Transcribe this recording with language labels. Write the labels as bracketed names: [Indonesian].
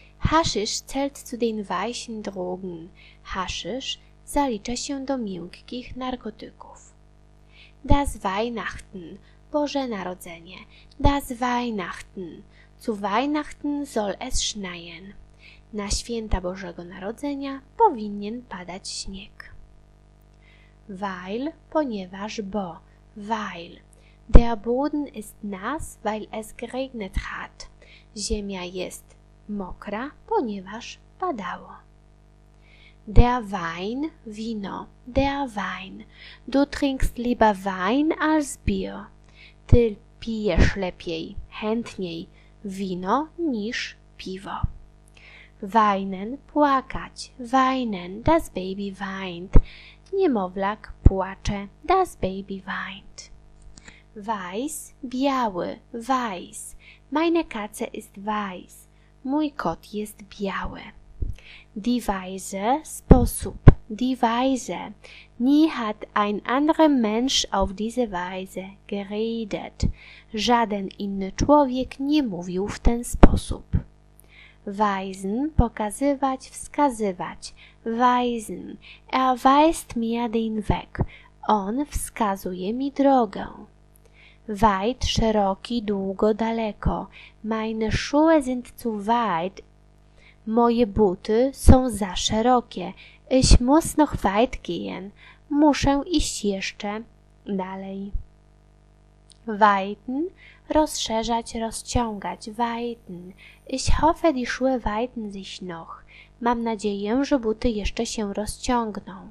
[German] Haschisch zählt zu den weichen Drogen. [Polish] Haschisch zalicza się do miękkich narkotyków. [German] Das Weihnachten, [Polish] Boże Narodzenie. [German] Das Weihnachten, zu Weihnachten soll es schneien. [Polish] Na święta Bożego Narodzenia powinien padać śnieg. [German] Weil, [Polish] ponieważ, bo, [German] weil. Der Boden ist nass, weil es geregnet hat. [Polish] Ziemia jest mokra, ponieważ padało. [German] Der Wein, wino, der Wein. Du trinkst lieber Wein als Bier. [Polish] Ty pijesz lepiej, chętniej, wino niż piwo. [German] Weinen, płakać, weinen, das Baby weint. [Polish] Niemowlak płacze, [German] das Baby weint. Weiß, biały, weiß. Meine Katze ist weiß. [Polish] Mój kot jest biały. [German] Die Weise, sposób, die Weise. Nie hat ein anderer Mensch auf diese Weise geredet. [Polish] Żaden inny człowiek nie mówił w ten sposób. Weisen, pokazywać, wskazywać. [German] Weisen, er weist mir den Weg. [Polish] On wskazuje mi drogę. Weit, szeroki, długo, daleko. [German] Meine Schuhe sind zu weit. [Polish] Moje buty są za szerokie. [German] Ich muss noch weit gehen. [Polish] Muszę iść jeszcze dalej. Weiten, rozszerzać, rozciągać. Weiten. [German] Ich hoffe, die Schuhe weiten sich noch. [Polish] Mam nadzieję, że buty jeszcze się rozciągną.